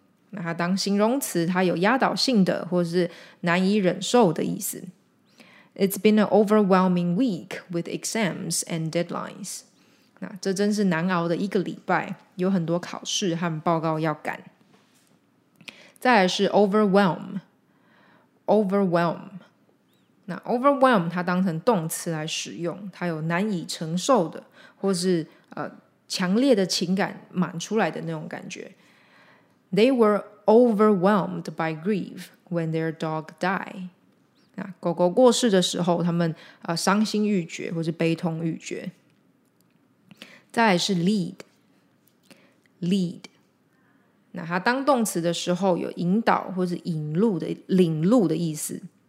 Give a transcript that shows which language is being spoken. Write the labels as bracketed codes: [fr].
[zh] 那它当形容词，它有压倒性的或是难以忍受的意思。 [en] It's been an overwhelming week with exams and deadlines. [zh] 那这真是难熬的一个礼拜，有很多考试和报告要赶。再来是 overwhelm, overwhelm. 那 overwhelm 它当成动词来使用，它有难以承受的，或是强烈的情感满出来的那种感觉。 [en] They were overwhelmed by grief when their dog died. [zh] 狗狗过世的时候，他们伤心欲绝或是悲痛欲绝。再来是 lead, lead. 那它当动词的时候有引导或是引路的领路的意思。